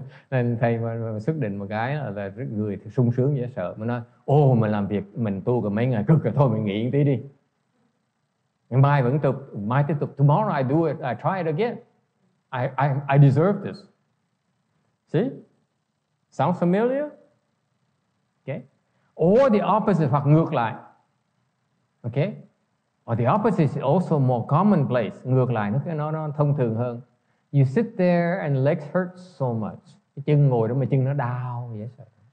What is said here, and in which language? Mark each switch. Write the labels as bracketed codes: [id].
[vi] Nên thầy mà xác định một cái là người sung sướng dễ sợ, mà nói ô mình làm việc mình tu cả mấy ngày cực rồi, thôi mình nghỉ một tí đi, ngày mai vẫn tục, mai tiếp tục, [en] tomorrow I do it, I try it again, I deserve this. See, sound familiar? Okay, or the opposite, [vi] hoặc ngược lại. [en] Okay, or the opposite is also more commonplace. [vi] Ngược lại nó thông thường hơn. [en] You sit there and legs hurt so much. [vi] Cái chân ngồi đó mà chân nó đau dễ sợ.